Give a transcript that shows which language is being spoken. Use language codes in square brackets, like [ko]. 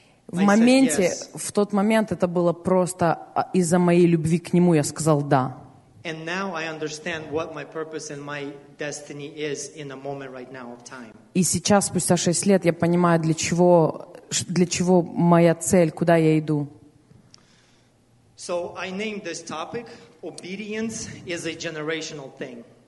[ru] В тот момент это было просто из-за моей любви к нему, я сказал «да». [en] And now I understand what my purpose and my destiny is in a moment right now of time. [ru] И сейчас, спустя 6 лет, я понимаю, для чего моя цель, куда я иду. [en] So I named this topic, obedience is a generational thing.